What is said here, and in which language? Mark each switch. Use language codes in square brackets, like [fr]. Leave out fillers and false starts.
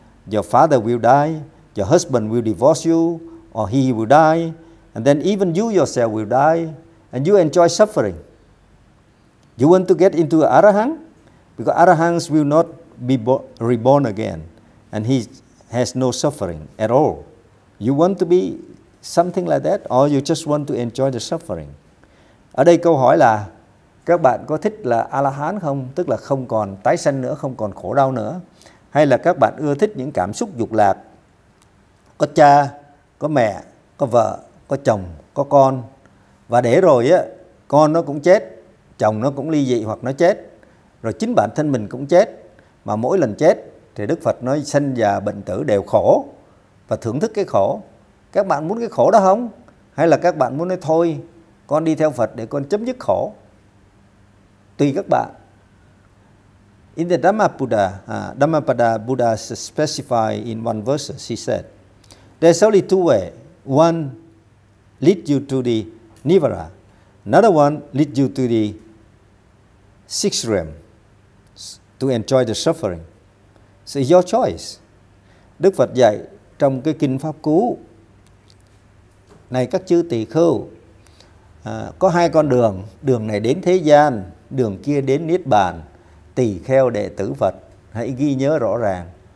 [en] Your father will die, your husband will divorce you, or he will die, and then even you yourself will die, and you enjoy suffering. You want to get into Arahant because Arahants will not be reborn again, and he has no suffering at all. You want to be something like that or you just want to enjoy the suffering? [vi] Ở đây câu hỏi là các bạn có thích là A-la-hán không? Tức là không còn tái sanh nữa, không còn khổ đau nữa. Hay là các bạn ưa thích những cảm xúc dục lạc? Có cha, có mẹ, có vợ, có chồng, có con. Và để rồi á, con nó cũng chết, chồng nó cũng ly dị hoặc nó chết. Rồi chính bản thân mình cũng chết. Mà mỗi lần chết thì Đức Phật nói sanh già bệnh tử đều khổ và thưởng thức cái khổ. Các bạn muốn cái khổ đó không? Hay là các bạn muốn nói thôi, con đi theo Phật để con chấm dứt khổ? Tùy các bạn. [en] In the Dhammapada, Dhammapada Buddha specified in one verse, he said, there's only two ways. One lead you to the Nirvana. Another one lead you to the sixth realm to enjoy the suffering. So your choice. [vi] Đức Phật dạy trong cái kinh Pháp Cú, này các chư tỳ khưu, có hai con đường, đường này đến thế gian, đường kia đến Niết Bàn, tỳ kheo đệ tử Phật, hãy ghi nhớ rõ ràng.